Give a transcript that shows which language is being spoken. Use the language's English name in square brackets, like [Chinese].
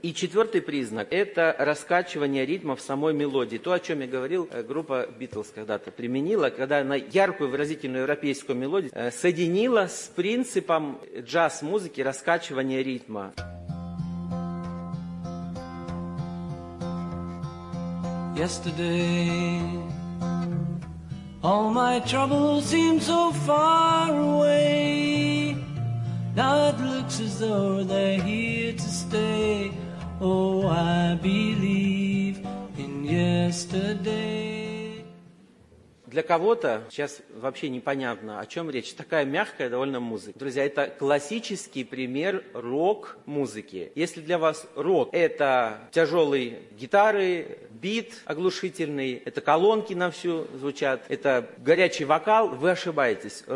[Russian] И четвертый признак – это раскачивание ритма в самой мелодии. То, о чем я говорил, группа Beatles когда-то применила, когда на яркую, выразительную европейскую мелодию соединила с принципом джаз-музыки раскачивания ритма. [English] Yesterday all my troubles seemed so far away. Now it looks as though they're here to stay. Oh, I believe in yesterday. [Russian] Для кого-то сейчас вообще непонятно, о чем речь. Такая мягкая довольно музыка. Друзья, это классический пример рок-музыки. Если для вас рок – это тяжелые гитары, бит оглушительный, это колонки на всю звучат, это горячий вокал, вы ошибаетесь.